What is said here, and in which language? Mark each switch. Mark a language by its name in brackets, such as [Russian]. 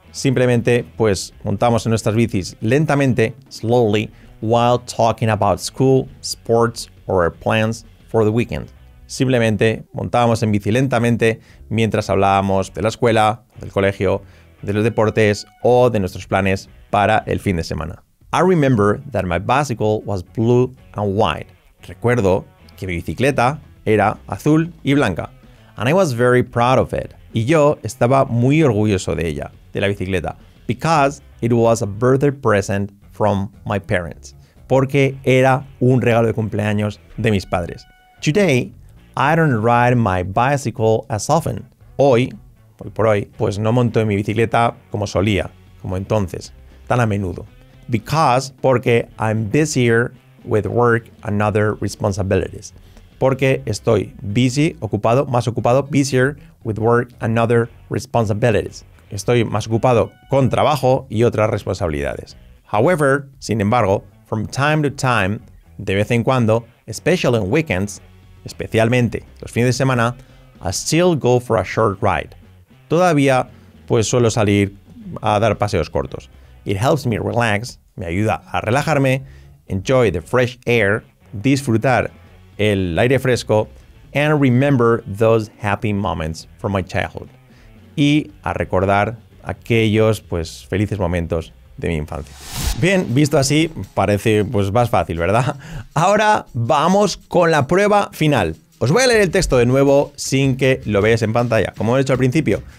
[Spanish] Simplemente, pues, montamos en nuestras bicis lentamente, [English] slowly, while talking about school, sports, or our plans for the weekend. [Spanish] Simplemente montábamos en bici lentamente mientras hablábamos de la escuela, del colegio, de los deportes o de nuestros planes para el fin de semana. [English] I remember that my bicycle was blue and white. [Spanish] Recuerdo que mi bicicleta era azul y blanca. [English] And I was very proud of it. [Spanish] Y yo estaba muy orgulloso de ella, de la bicicleta, [English] because it was a birthday present from my parents. [Spanish] Porque era un regalo de cumpleaños de mis padres. [English] Today, I don't ride my bicycle as often. [Spanish] Hoy por hoy, pues no monto en mi bicicleta como solía, como entonces, tan a menudo. [English] Because, [Spanish] porque [English] I'm busier with work and other responsibilities. [Spanish] Porque estoy [English] busy, [Spanish] ocupado, más ocupado, [English] busier with work and other responsibilities. [Spanish] Estoy más ocupado con trabajo y otras responsabilidades. [English] However, [Spanish] sin embargo, [English] from time to time, [Spanish] de vez en cuando, [English] especially on weekends, [Spanish] especialmente los fines de semana, [English] I still go for a short ride. [Spanish] Todavía, pues suelo salir a dar paseos cortos. [English] It helps me relax, [Spanish] me ayuda a relajarme, [English] enjoy the fresh air, [Spanish] disfrutar el aire fresco, [English] and remember those happy moments from my childhood. [Spanish] Y a recordar aquellos pues felices momentos de mi infancia. Bien, visto así, parece pues más fácil, ¿verdad? Ahora vamos con la prueba final. Os voy a leer el texto de nuevo sin que lo veáis en pantalla, como he hecho al principio.